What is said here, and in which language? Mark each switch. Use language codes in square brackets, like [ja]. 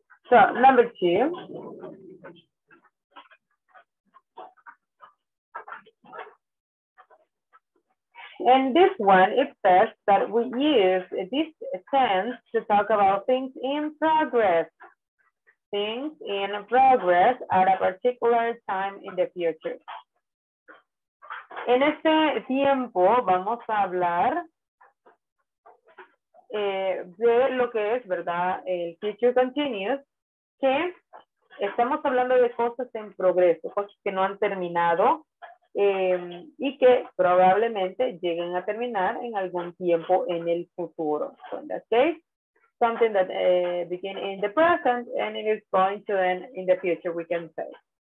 [en] So number two, and this one, it says that we use this tense to talk about things in progress, things in progress at a particular time in the future. [es] En este tiempo vamos a hablar de lo que es, ¿verdad? El future continuous, que estamos hablando de cosas en progreso, cosas que no han terminado y que probablemente lleguen a terminar en algún tiempo en el futuro. [en] So in that case, something that begins in the present and it is going to end in the future, we can say.